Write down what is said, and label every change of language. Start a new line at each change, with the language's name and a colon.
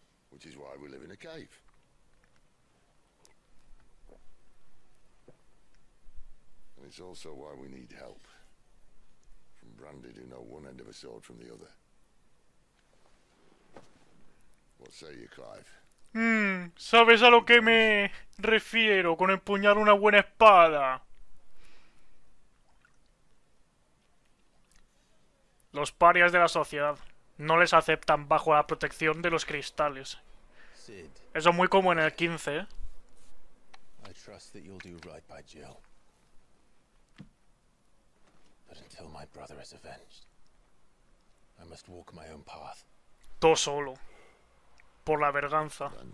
English: Which is why we live in a cave. And it's also why we need help. From Branded, who know one end of a sword from the other. What say you, Clive?
Spanish: ¿Sabes a lo que me refiero con empuñar una buena espada? Los parias de la sociedad no les aceptan bajo la protección de los cristales. Eso es muy como en el 15, ¿eh?
English: I trust that you'll do right by Jill. But until my brother is avenged, I must walk my own path.
Spanish: Todo solo. Por la verganza.